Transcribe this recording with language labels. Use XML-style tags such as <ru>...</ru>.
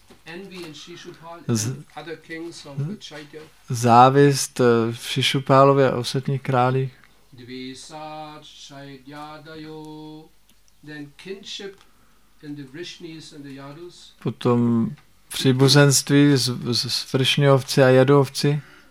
<en>Envy in Shishupal and other kings of the Chaitya.</en> <cs>Závist v Shishupalově a ostatních králích.</cs> <en>Dvesat Chaityadayo, then kinship in the Vrishnis and the Yadus.</en> <cs>Potom příbuzenství s Vrishniovci a Yadovci.</cs>